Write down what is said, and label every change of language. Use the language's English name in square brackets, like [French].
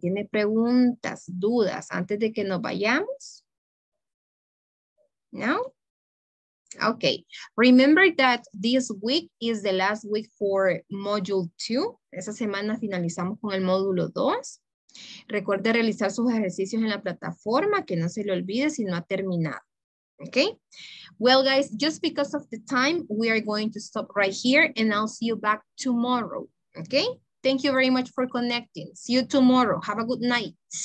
[Spanish] ¿Tiene preguntas, dudas antes de que nos vayamos? No? Okay. [English] Remember that this week is the last week for module 2. [Spanish] Esa semana finalizamos con el módulo 2. Recuerde realizar sus ejercicios en la plataforma, que no se le olvide si no ha terminado. [English] Okay. Well, guys, just because of the time, we are going to stop right here and I'll see you back tomorrow. Okay. Thank you very much for connecting. See you tomorrow. Have a good night.